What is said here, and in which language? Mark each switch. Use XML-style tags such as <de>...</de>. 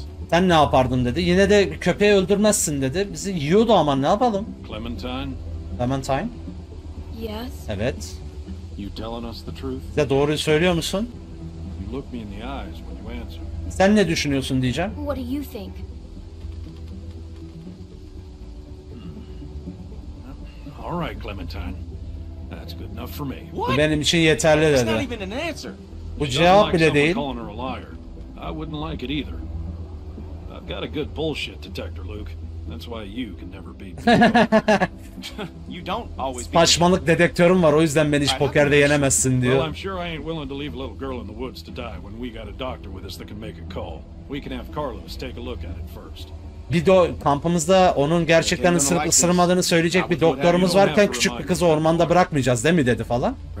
<tr>Sen ne yapardın dedi. Yine de bir köpeği öldürmezsin dedi. Bizi yiyordu ama ne yapalım?</tr> <en>Clementine? Yes.</en> <tr>Evet.</tr> <en>You telling us the truth?</en> <tr>Size doğruyu söylüyor musun?</tr> <en>You look me in the eyes when you answer.</en> <tr>Sen ne düşünüyorsun diyeceğim.</tr> <en>What do you think? All right, Clementine. That's good enough for me. What?</en> <tr>Benim için yeterli dedi.</tr> <en>That's not even an answer.</en> <tr>Bu cevap bile değil.</tr> <en>Calling her a liar. I wouldn't like it either. I've got a good bullshit detector, Luke. That's why you can never beat me. You don't always beat me.</en> <tr>Saçmalık dedektörüm var, o yüzden beni hiç pokerde yenemezsin diyor.</tr> <en>Well, I'm sure I ain't willing to leave a little girl in the woods to die when we got a doctor with us that can make a call. We can have Carlos take a look at it first.</en> <tr>Bir kampımızda onun gerçekten ısırmadığını söyleyecek bir doktorumuz varken küçük bir kızı ormanda bırakmayacağız değil mi dedi falan.</tr>